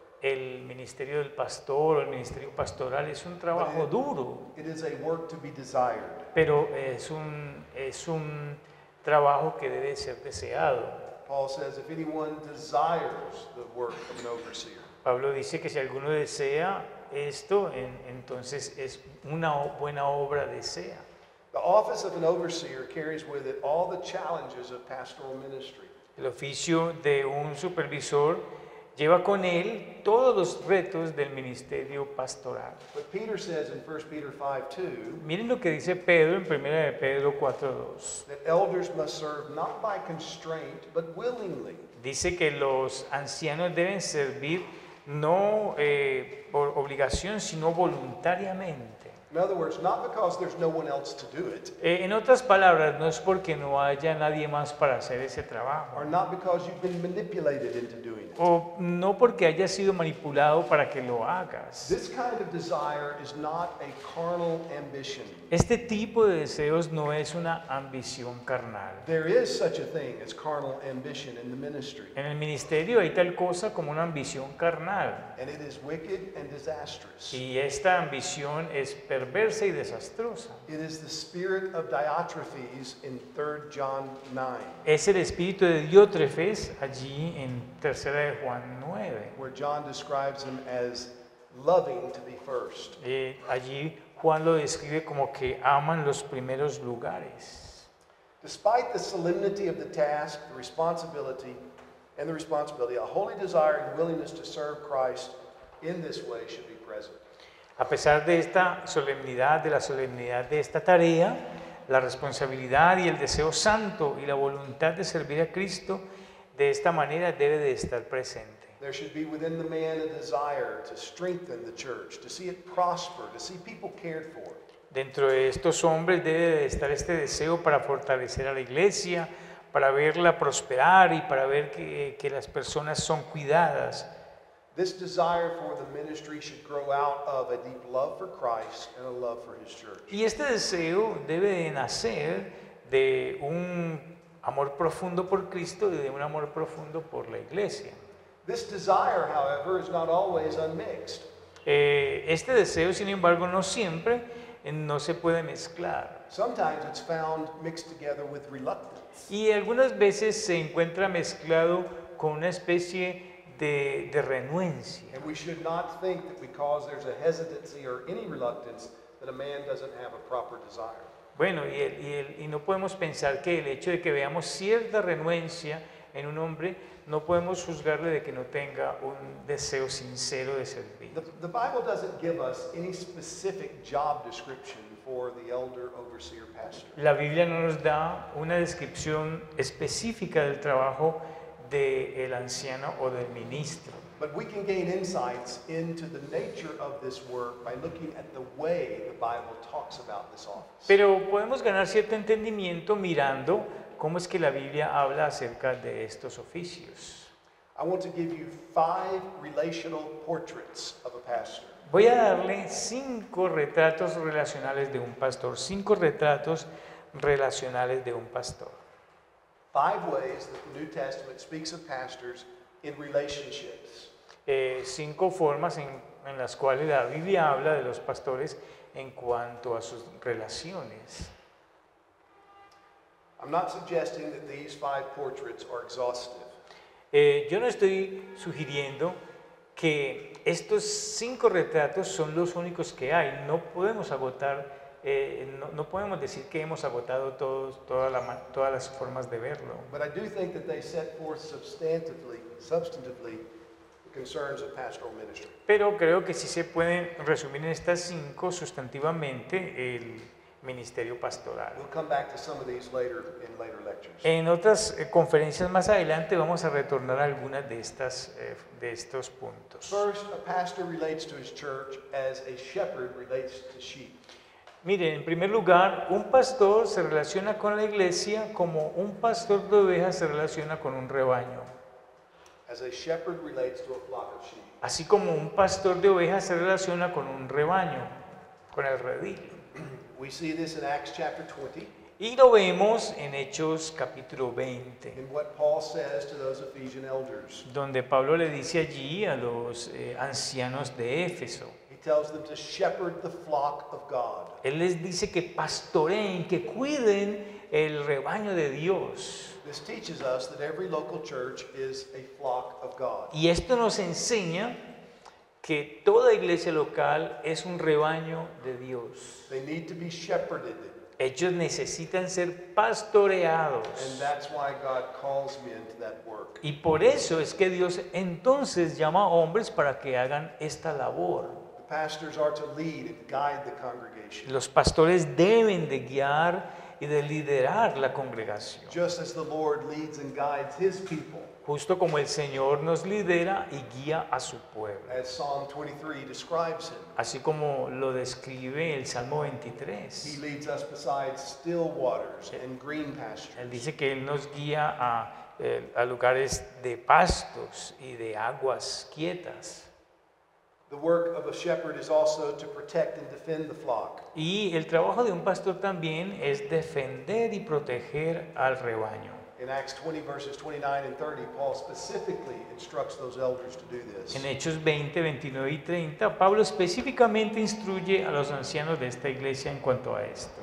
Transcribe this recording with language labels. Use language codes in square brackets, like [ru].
[es] El ministerio del pastor o el ministerio pastoral es un trabajo duro. [en] It is a work to be desired. [es] Pero es un trabajo que debe ser deseado. [en] Paul says if anyone desires the work of an overseer. [es] Pablo dice que si alguno desea esto, entonces es una buena obra desea. [en] The office of an overseer carries with it all the challenges of pastoral ministry. [es] El oficio de un supervisor lleva con él todos los retos del ministerio pastoral. [en] But Peter says in 1 Peter 5:2. [es] Miren lo que dice Pedro en 1 Pedro 4:2. [en] That elders must serve not by constraint but willingly. [es] Dice que los ancianos deben servir no por obligación sino voluntariamente. [en] In other words, not because there's no one else to do it. [es] En otras palabras, no es porque no haya nadie más para hacer ese trabajo. [en] Or not because you've been manipulated into doing it. [es] O no porque haya sido manipulado para que lo hagas. [en] This kind of desire is not a carnal ambition. [es] Este tipo de deseos no es una ambición carnal. [en] There is such a thing as carnal ambition in the ministry. [es] En el ministerio hay tal cosa como una ambición carnal. [en] And it is wicked and disastrous. [es] Y esta ambición es perversa y desastrosa. [en] It is the spirit of Diotrephes in 3 John 9. [es] Es el espíritu de Diótrefes allí en 3 de Juan 9. [en] Where John describes him as loving to be first. [es] Allí Juan lo describe como que aman los primeros lugares. [en] Despite the solemnity of the task, the responsibility, and the responsibility, a holy desire and willingness to serve Christ in this way should be present. [es] A pesar de esta solemnidad, de la solemnidad de esta tarea, la responsabilidad y el deseo santo y la voluntad de servir a Cristo de esta manera debe de estar presente. [en] There should be within the man a desire to strengthen the church, to see it prosper, to see people cared for. [es] Dentro de estos hombres debe de estar este deseo para fortalecer a la iglesia, para verla prosperar y para ver que las personas son cuidadas. [en] This desire for the ministry should grow out of a deep love for Christ and a love for his church. [es] Y este deseo debe de nacer de un amor profundo por Cristo y de un amor profundo por la iglesia. [en] This desire, however, is not always unmixed. [es] Este deseo, sin embargo, no siempre no se puede mezclar. [en] Sometimes it's found mixed together with reluctance. [es] Y algunas veces se encuentra mezclado con una especie de renuencia. [en] And we should not think that because there's a hesitancy or any reluctance that a man doesn't have a proper desire. [es] Bueno, y no podemos pensar que el hecho de que veamos cierta renuencia en un hombre, no podemos juzgarle de que no tenga un deseo sincero de servir. [en] The Bible doesn't give us any specific job description for the elder overseer pastor. [es] La Biblia no nos da una descripción específica del trabajo de el anciano o del ministro. [en] But we can gain insights into the nature of this work by looking at the way the Bible talks about this office. [es] Pero podemos ganar cierto entendimiento mirando cómo es que la Biblia habla acerca de estos oficios. [en] I want to give you 5 relational portraits of a pastor. [es] Voy a darle 5 retratos relacionales de un pastor. 5 retratos relacionales de un pastor. [en] 5 ways that the New Testament speaks of pastors in relationships. [es] 5 formas en las cuales la Biblia habla de los pastores en cuanto a sus relaciones. [en] I'm not suggesting that these 5 portraits are exhaustive. [es] Yo no estoy sugiriendo que estos 5 retratos son los únicos que hay. No podemos agotar no podemos decir que hemos agotado todas las formas de verlo. [en] But I do think that they set forth substantively concerns of pastoral ministry. [es] Pero creo que sí se pueden resumir en estas cinco sustantivamente el ministerio pastoral. [en] We'll come back to some of these later in later lectures. [es] En otras conferencias más adelante vamos a retornar a algunas de estas de estos puntos. [en] First, a pastor relates to his church as a shepherd relates to sheep. [es] Miren, en primer lugar, un pastor se relaciona con la iglesia como un pastor de ovejas se relaciona con un rebaño. [en] As a shepherd relates to a flock of sheep. [es] Así como un pastor de ovejas se relaciona con un rebaño, con el redil. [en] We see this in Acts chapter 20. [es] Y lo vemos en Hechos capítulo 20. [en] In what Paul says to those Ephesian elders. [es] Donde Pablo le dice allí a los ancianos de Éfeso. [en] He tells them to shepherd the flock of God. [es] Él les dice que pastoreen, que cuiden el rebaño de Dios. [en] This teaches us that every local church is a flock of God. [es] Y esto nos enseña que toda iglesia local es un rebaño de Dios. [en] They need to be shepherded. [es] Ellos necesitan ser pastoreados. [en] And that's why God calls men to that work. [es] Y por eso es que Dios entonces llama a hombres para que hagan esta labor. [en] The pastors are to lead and guide the congregation. [es] Los pastores deben de guiar y de liderar la congregación. [en] Just as the Lord leads and guides his people. [es] Justo como el Señor nos lidera y guía a su pueblo. [en] As Psalm 23 describes him. [es] Así como lo describe el Salmo 23. [en] He leads us beside still waters and green pastures. [es] Él dice que él nos guía a lugares de pastos y de aguas quietas. [en] The work of a shepherd is also to protect and defend the flock. [es] Y el trabajo de un pastor también es defender y proteger al rebaño. [en] In Acts 20 verses 29 and 30, Paul specifically instructs those elders to do this. [es] En Hechos 20, 29 y 30, Pablo específicamente instruye a los ancianos de esta iglesia en cuanto a esto.